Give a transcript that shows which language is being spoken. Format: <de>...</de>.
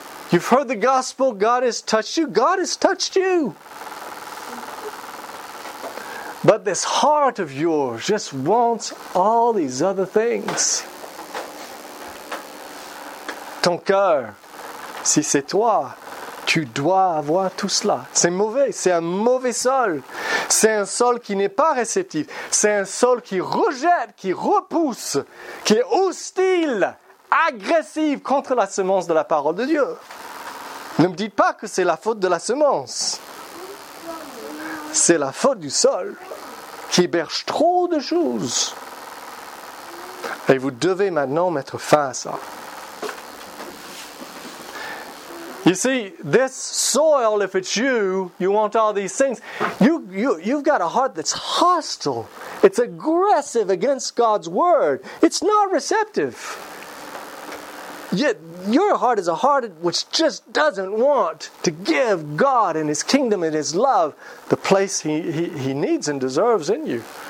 <en>You've heard the gospel, God has touched you, God has touched you. But this heart of yours just wants all these other things.</en> <fr>Ton cœur, si c'est toi, tu dois avoir tout cela. C'est mauvais, c'est un mauvais sol. C'est un sol qui n'est pas réceptif. C'est un sol qui rejette, qui repousse, qui est hostile, agressif contre la semence de la parole de Dieu. Ne me dites pas que c'est la faute de la semence. c'est la faute du sol qui héberge trop de choses. Et vous devez maintenant mettre fin à ça.</fr> <en>You see, this soil, if it's you, you want all these things. You've got a heart that's hostile. It's aggressive against God's word. It's not receptive. Yet your heart is a heart which just doesn't want to give God and His kingdom and His love the place He needs and deserves in you.</en>